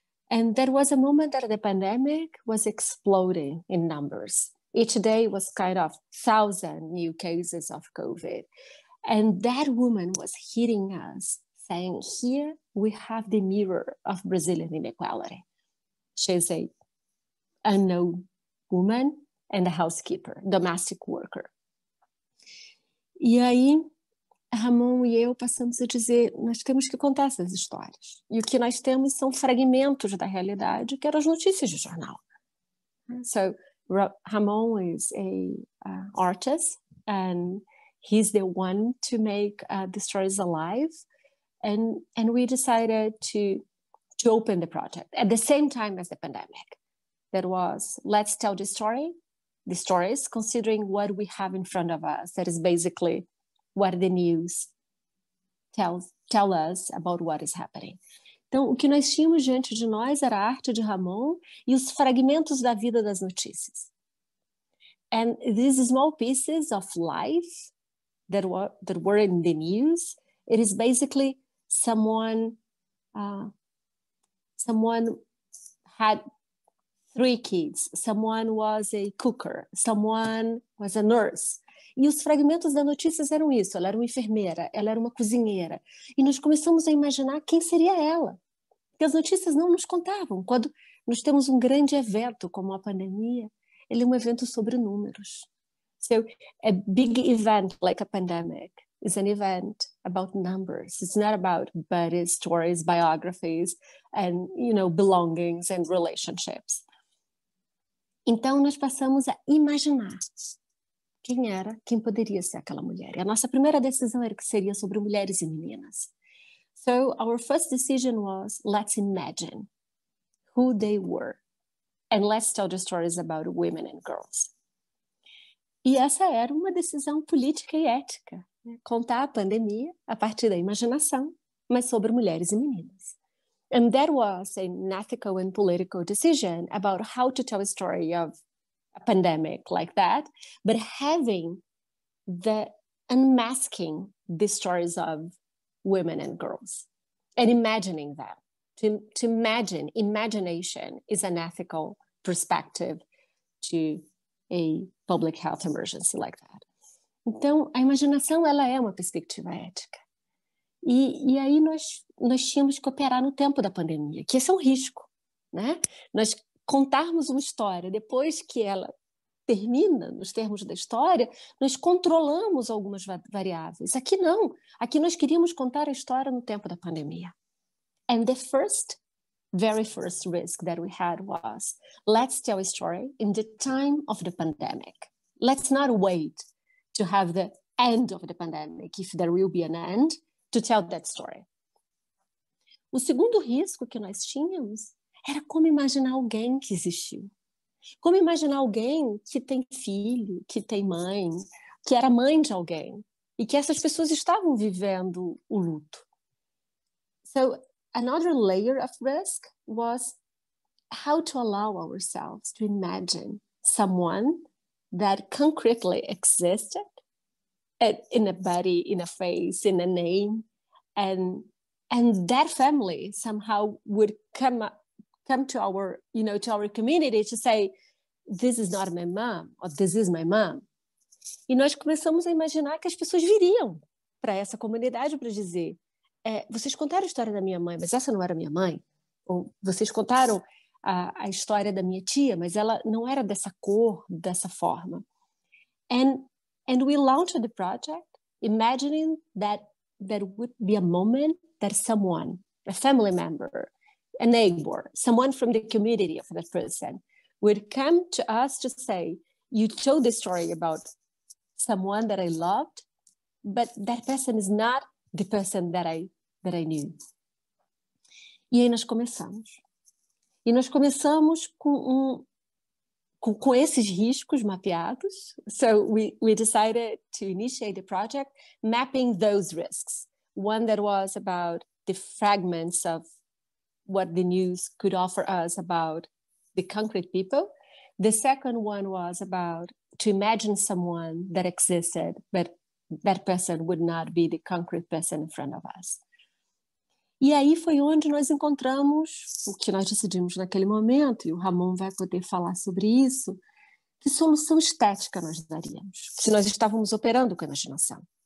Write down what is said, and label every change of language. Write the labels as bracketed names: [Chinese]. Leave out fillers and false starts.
[English] And there was a moment that the pandemic was exploding in numbers. Each day was kind of 1,000 new cases of COVID. And that woman was hitting us. And here we have the mirror of Brazilian inequality. She's a unknown woman and a housekeeper, domestic worker. [Portuguese] E aí, Ramon e eu passamos a dizer, nós temos que contar essas histórias. E o que nós temos são fragmentos da realidade, que eram as notícias de jornal. [English] So, Ramon is a artist, and he's the one to make the stories alive. And we decided to open the project at the same time as the pandemic. that was, let's tell the story, the stories, considering what we have in front of us. That is basically what the news tell us about what is happening. [Portuguese] Então, o que nós tínhamos diante de nós era a arte de Ramon e os fragmentos da vida das notícias. [English] And these small pieces of life that were in the news, it is basically someone had three kids, someone was a cooker, someone was a nurse. [Portuguese] E os fragmentos das notícias eram isso, ela era uma enfermeira, ela era uma cozinheira. E nós começamos a imaginar quem seria ela. Porque as notícias não nos contavam. Quando nós temos um grande evento, como a pandemia, ele é um evento sobre números. [English] So, a big event like a pandemic is an event about numbers. It's not about buddies, stories, biographies, and, you know, belongings and relationships. [Portuguese] Então, nós passamos a imaginar quem era, quem poderia ser aquela mulher. E a nossa primeira decisão era que seria sobre mulheres e meninas. [English] So, our first decision was, let's imagine who they were. And let's tell the stories about women and girls. [Portuguese] E essa era uma decisão política e ética, né? Contar a pandemia a partir da imaginação, mas sobre mulheres e meninas. [English] And that was an ethical and political decision about how to tell a story of a pandemic like that, but having the unmasking the stories of women and girls and imagining them. To imagine, imagination is an ethical perspective to a public health emergency like that. [Portuguese] Então, a imaginação, ela é uma perspectiva ética. E aí nós tínhamos que operar no tempo da pandemia, que esse é um risco, né? Nós contarmos uma história depois que ela termina, nos termos da história, nós controlamos algumas variáveis. Aqui não. Aqui nós queríamos contar a história no tempo da pandemia. [English] And the first, very first risk that we had was, let's tell a story in the time of the pandemic. Let's not wait to have the end of the pandemic, if there will be an end, to tell that story. [Portuguese] O segundo risco que nós tínhamos era como imaginar alguém que existiu. Como imaginar alguém que tem filho, que tem mãe, que era mãe de alguém, e que essas pessoas estavam vivendo o luto. [English] So, another layer of risk was how to allow ourselves to imagine someone that concretely existed in a body, in a face, in a name, and that family somehow would come to our, you know, to our community to say, this is not my mom, or this is my mom. [Portuguese] E nós começamos a imaginar que as pessoas viriam para essa comunidade para dizer, vocês contaram a história da minha mãe, mas essa não era minha mãe. Ou vocês contaram a história da minha tia, mas ela não era dessa cor, dessa forma. [English] And we launched the project imagining that there would be a moment that someone, a family member, a neighbor, someone from the community of that person would come to us to say, you told the story about someone that I loved, but that person is not the person that I knew. [Portuguese] E aí nós começamos. E nós começamos com esses riscos mapeados. [English] So we decided to initiate the project mapping those risks. One that was about the fragments of what the news could offer us about the concrete people. The second one was about to imagine someone that existed, but that person would not be the concrete person in front of us. [Portuguese] E aí foi onde nós encontramos o que nós decidimos naquele momento, e o Ramon vai poder falar sobre isso, que solução estética nós daríamos, se nós estávamos operando com a imaginação.